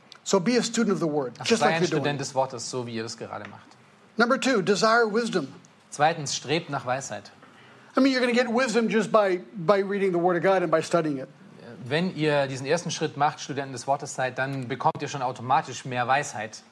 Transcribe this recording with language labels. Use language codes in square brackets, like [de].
[en] So be a student of the Word, also just like you're doing. [de] Sei ein Student des Wortes, so wie ihr es gerade macht. [en] Number two, desire wisdom. [de] Zweitens, strebt nach Weisheit. [en] I mean, you're going to get wisdom just by reading the Word of God and by studying it. [de] Wenn ihr diesen ersten Schritt macht, Studenten des Wortes seid, dann bekommt ihr schon automatisch mehr Weisheit.